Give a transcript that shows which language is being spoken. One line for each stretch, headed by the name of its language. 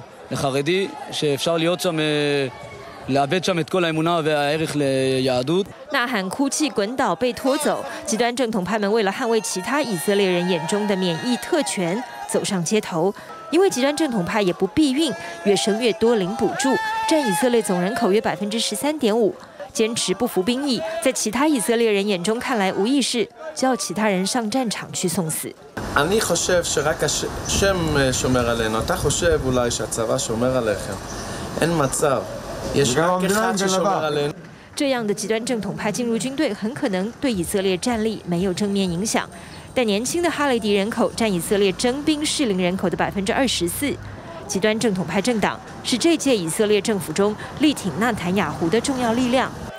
Hebrew: לחרדי שאפשר להיות שם, לאבד שם את כל האמונה והערך ליהדות.
Chinese: 呐喊、哭泣、滚倒、被拖走，极端正统派们为了捍卫其他以色列人眼中的免疫特权，走上街头。因为极端正统派也不避孕，越生越多领补助，占以色列总人口约13.5%。坚持不服兵役，在其他以色列人眼中看来无意识，叫其他人上战场去送死。
Hebrew: אני חושב שרק השם שומר עלינו. אתה חושב אולי שהצבא שומר עליכם? אין מצב. יש רק אחד ששומר עלינו.
Chinese: 这样的极端正统派进入军队，很可能对以色列战力没有正面影响。但年轻的哈雷迪人口占以色列征兵适龄人口的24%。极端正统派政党是这届以色列政府中力挺纳坦雅胡的重要力量。